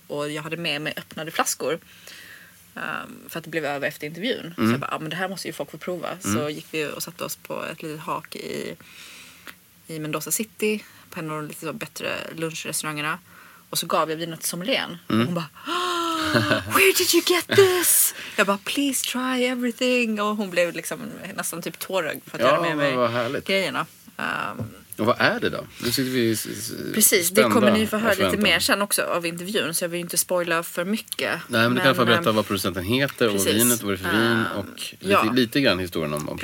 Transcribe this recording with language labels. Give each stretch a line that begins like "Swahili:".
Swedish: Och jag hade med mig öppnade flaskor. För att det blev över efter intervjun. Mm. Så jag bara, ja, men det här måste ju folk få prova. Mm. Så gick vi och satte oss på ett litet hak i Mendoza City, på en av de lite bättre lunchrestaurangerna. Och så gav jag vinet till sommelieren. Mm. Hon bara,
English: oh, where did you get this?
Swedish: Jag bara,
English: please try everything.
Swedish: Och hon blev liksom nästan typ tårögd för att göra med mig grejerna. Och vad är det då? Nu sitter vi precis, det kommer ni få höra lite mer sen också av intervjun, så jag vill ju inte spoila för mycket. Nej, men du kan få berätta vad producenten heter, precis, och vinet, vad det är för vin och lite grann historien om